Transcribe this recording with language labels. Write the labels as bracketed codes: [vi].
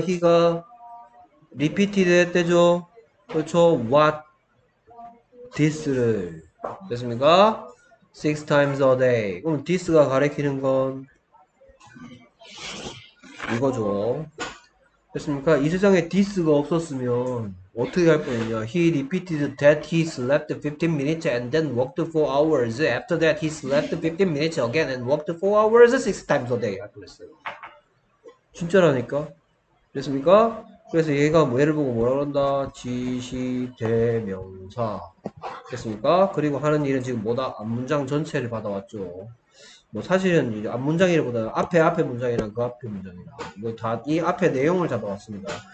[ko] 희가 repeated 했대죠? 그렇죠. What this를. 됐습니까? [en] Six times a day. [ko] 그럼 this가 가리키는 건 이거죠. 됐습니까? 이 세상에 this가 없었으면 어떻게 할 뻔했냐? [en] He repeated that he slept 15 minutes and then worked 4 hours. After that, he slept 15 minutes again and worked 4 hours 6 times a day. [ko] 그랬어요. 진짜라니까? 그랬습니까? 그래서 얘가 뭐 얘를 보고 뭐라 그런다? 지시 대명사. 그랬습니까? 그리고 하는 일은 지금 뭐다? 앞문장 전체를 받아왔죠. 뭐 사실은 이제 앞문장이라기보다 앞에 문장이랑 그 앞에 문장이랑 이거 다이 앞에 내용을 잡아왔습니다.